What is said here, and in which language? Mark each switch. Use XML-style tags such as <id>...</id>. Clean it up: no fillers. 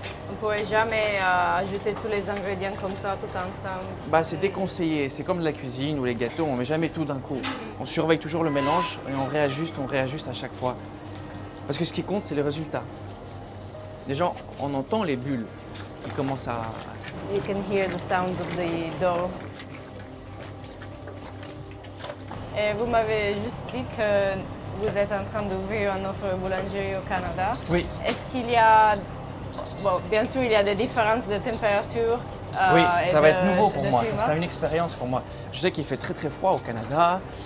<fr>On ne pourrait jamais ajouter tous les ingrédients comme ça, tout ensemble. Bah, c'est déconseillé. C'est comme la cuisine ou les gâteaux, on ne met jamais tout d'un coup. Mm-hmm. On surveille toujours le mélange et on réajuste à chaque fois. Parce que ce qui compte, c'est le résultat. Les gens, on entend les bulles qui commencent à...</fr> <en>You can hear the sounds of the dough.</en> <fr>Et vous m'avez juste dit que vous êtes en train d'ouvrir une autre boulangerie au Canada. Oui. Est-ce qu'il y a... Bon, bien sûr, il y a des différences de température. Oui, ça va être nouveau pour moi. Climat. Ça sera une expérience pour moi. Je sais qu'il fait très, très froid au Canada.</fr>